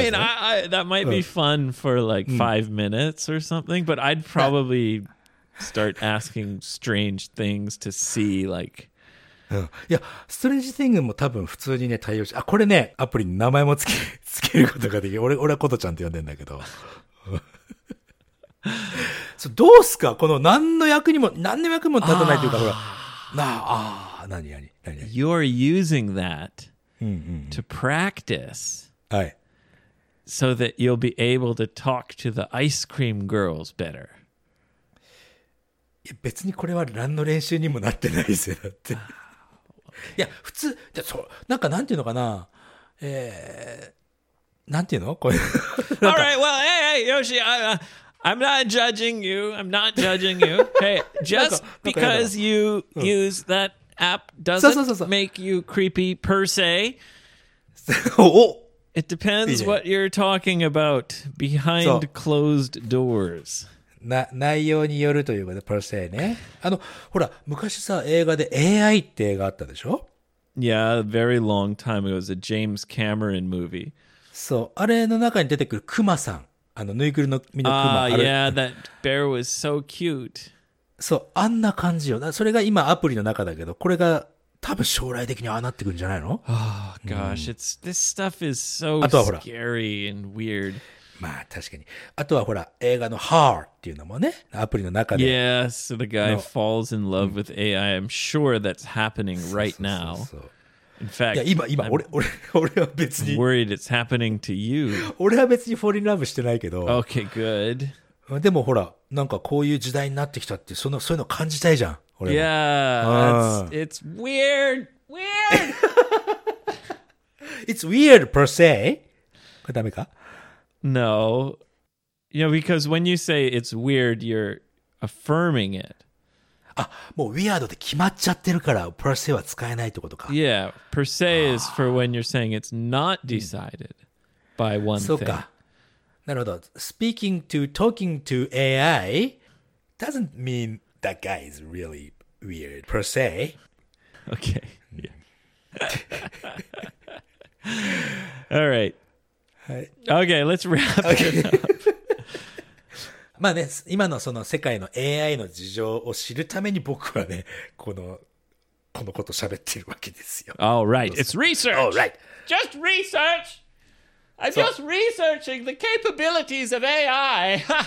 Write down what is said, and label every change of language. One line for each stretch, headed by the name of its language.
English: I mean, I, that might be fun for like five minutes or something, but I'd probably start asking strange things to see like...
Japanese: いや、ストレンジティングも多分普通にね、対応し、あ、これね、アプリに名前もつけることができる。俺はコトちゃんって呼んでんだけど。そどうすかこの何の役にも立たないというか、ほら。なあ、ああ、何、何、何。
English: You're using that to practice.
Japanese: はい。
English: So that you'll be able to talk to the ice cream girls better.
Japanese: いや、別にこれは何の練習にもなってないですよ、だって。いや普通じゃそうなんかなんていうのかな、なんていうのこれ。
English: All right, well, hey, hey, Yoshi, I'm not judging you. I'm not judging you. Hey, just because you use that app doesn't make you creepy per se. It depends what you're talking about behind closed doors.
Japanese: な内容によるというかね、
English: per se
Japanese: ね。あの、ほら、昔さ、映画で AI って映画あったでしょ?
English: Yeah, a very long time ago. It was a James Cameron movie.
Japanese: そう、あれの中に出てくるクマさん。あの、ぬいぐるみのクマ。あ、
English: yeah, that bear was so cute.
Japanese: そう、あんな感じよ。それが今アプリの中だけど、これが多分将来的にああなってくるんじゃないの?
English: Oh, gosh, this stuff is so scary and weird.
Japanese: まあ確かに。あとはほら映画の「ハー」っていうのもね、アプリの中で。
English: Yes,、yeah, so、the guy falls in love with AI. I'm sure that's happening right now. In fact,
Japanese: 俺は別に。
English: Worried it's happening to you.
Japanese: 俺は別に
English: fall in love
Japanese: してないけど。
English: Okay, good.
Japanese: でもほらなんかこういう時代になってきたってそういうの感じたいじゃん。俺は。
English: Yeah, it's weird. Weird. It's weird per se.
Japanese: これダメか。
English: No. You know, because when you say it's weird, you're affirming it.
Japanese: Ah, もう weird で決まっちゃってるから
English: per se
Japanese: は使えないってことか。
English: Yeah, per se is for when you're saying it's not decided by one thing.
Japanese: そうか。なるほど。
English: Speaking to, talking to AI doesn't mean that guy is really weird per se. Okay. Yeah. All right. Okay, let's wrap it up.
Japanese: まあね、今のその世界の AI の事情を知るために僕はね、このこと喋ってるわけですよ。
English: All right, it's research. All right. Just research. I'm just researching the capabilities of AI.